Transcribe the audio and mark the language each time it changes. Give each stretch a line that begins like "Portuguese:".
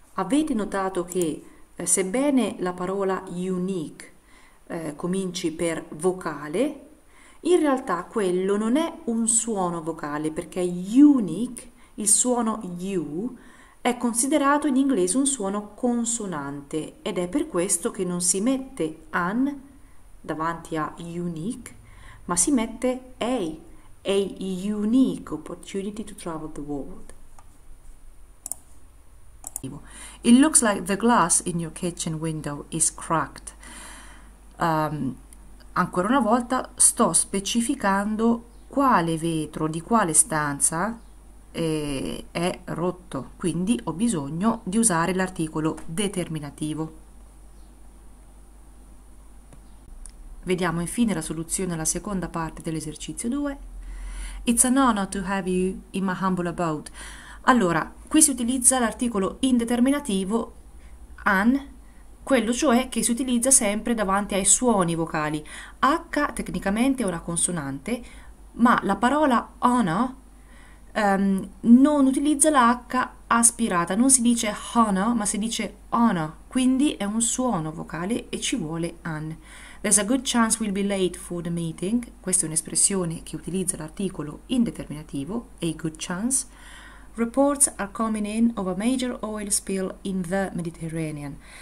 Italian: Avete notato che, sebbene la parola unique cominci per vocale, in realtà quello non è un suono vocale, perché unique, il suono U, è considerato in inglese un suono consonante ed è per questo che non si mette an davanti
English: a unique, ma si mette a unique opportunity to travel the world. It looks like the glass in your kitchen window is cracked.
Italian: Ancora una volta sto specificando quale vetro di quale stanza è rotto, quindi ho bisogno di usare l'articolo determinativo. Vediamo infine la soluzione alla seconda parte dell'esercizio 2.
English: It's an honor to have you in my humble abode.
Italian: Allora, qui si utilizza l'articolo indeterminativo an, quello cioè che si utilizza sempre davanti ai suoni vocali. H tecnicamente è una consonante, ma la parola honor non utilizza la H aspirata, non si dice hana, ma si dice ana, quindi è un suono vocale e ci vuole an.
English: There's a good chance we'll be late for the meeting.
Italian: Questa è un'espressione che utilizza l'articolo indeterminativo,
English: a good chance. Reports are coming in of a major oil spill in the Mediterranean.